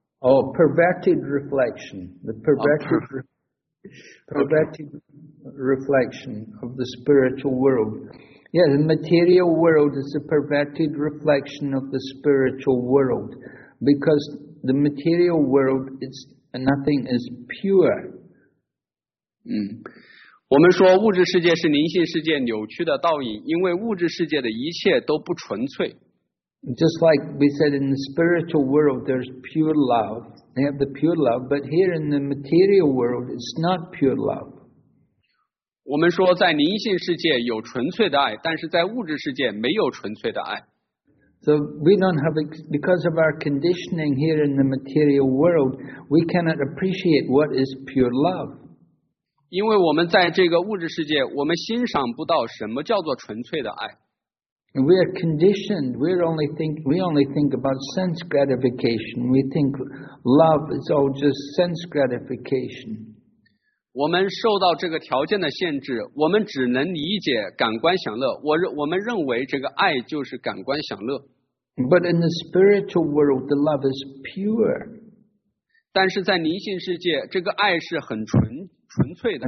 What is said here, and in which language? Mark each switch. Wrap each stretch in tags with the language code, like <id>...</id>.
<en>Oh, perverted reflection. The perverted, perverted reflection of the spiritual world. Yeah, the material world is a perverted reflection of the spiritual world. Because the material world is nothing is pure.</en> <zh>我们说物质世界是灵性世界扭曲的倒影，因为物质世界的一切都不纯粹。</zh> <en>Just like we said in the spiritual world, there's pure love. They have the pure love, but here in the material world, it's not pure love.</en> <zh>我们说在灵性世界有纯粹的爱，但是在物质世界没有纯粹的爱。</zh> <en>So we don't have, because of our conditioning here in the material world, we cannot appreciate what is pure love.</en> <zh>因为我们在这个物质世界，我们欣赏不到什么叫做纯粹的爱。</zh> <en>We are conditioned. We only think about sense gratification. We think love is all just sense gratification.</en> <zh>我们受到这个条件的限制，我们只能理解感官享乐。我们认为这个爱就是感官享乐。</zh> <en>But in the spiritual world, the love is pure.</en> <zh>但是在灵性世界，这个爱是很纯粹的。</zh>